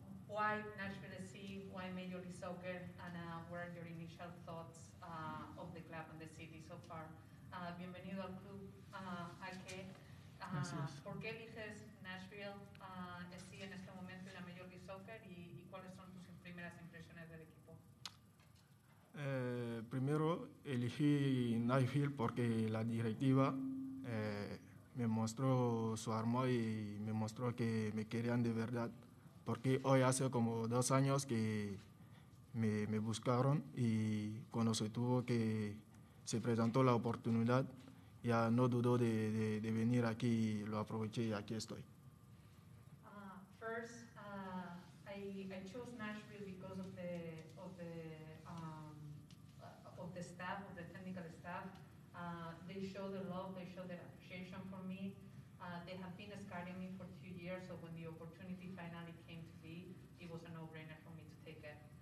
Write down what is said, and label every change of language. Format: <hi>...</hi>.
<en>Why Nashville SC? Why Major League Soccer? And what are your initial thoughts of the club and the city so far?</en> <es>Bienvenido al club, Aké. ¿Por qué eliges Nashville SC en este momento en la Major League Soccer? ¿Y cuáles son tus primeras impresiones del equipo? Primero, elegí Nashville porque la directiva me mostró su amor y me mostró que me querían de verdad. Porque hoy hace como 2 años que me buscaron y cuando se tuvo que se presentó la oportunidad, ya no dudó de venir aquí, lo aproveché y aquí estoy.</es> <en>First, I chose Nashville because of the staff, of the technical staff. They showed the love, they showed their appreciation for me. They have been scouting me for 2 years, so when the opportunity finally came to be, it was a no-brainer for me to take it.</en>